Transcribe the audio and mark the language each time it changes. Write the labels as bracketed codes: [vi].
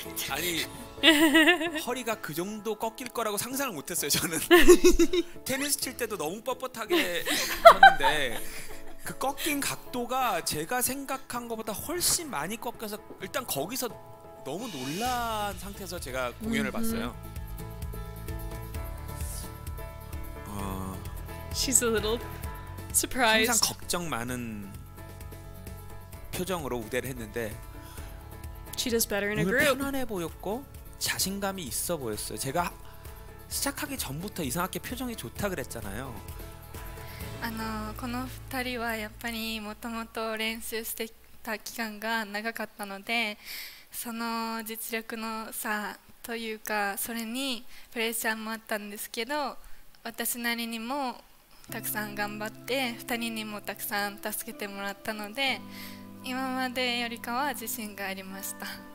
[ko] 아니 허리가 그 정도 꺾일 거라고 상상을 못했어요 저는. 테니스 칠 때도 너무 뻣뻣하게 쳤는데 그 꺾인 각도가 제가 생각한 것보다 훨씬 많이 꺾여서 일단 거기서 너무 놀란 상태에서 제가 공연을 봤어요. [en] She's a little surprised. [ko] 항상 걱정 많은 표정으로 무대를 했는데 [en] She does better in a group. [ko] 편안해 보였고 자신감이 있어 보였어요. 제가 시작하기 전부터 이상하게 표정이 좋다 그랬잖아요. [ja] あのこの2人はやっぱりもともと練習してきた期間が長かったのでその実力の差というかそれにプレッシャーもあったんですけど私なりにもたくさん頑張って2人にもたくさん助けてもらったので今までよりかは自信がありました